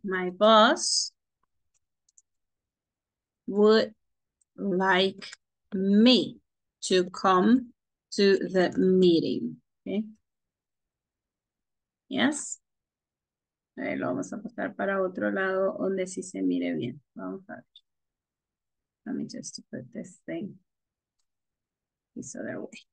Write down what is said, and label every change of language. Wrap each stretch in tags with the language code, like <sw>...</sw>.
<en>My boss would like me to come to the meeting. Okay. Yes.</en> <es>A ver, lo vamos a pasar para otro lado donde sí se mire bien. Vamos a ver.</es> <en>Let me just put this thing this other way.</en>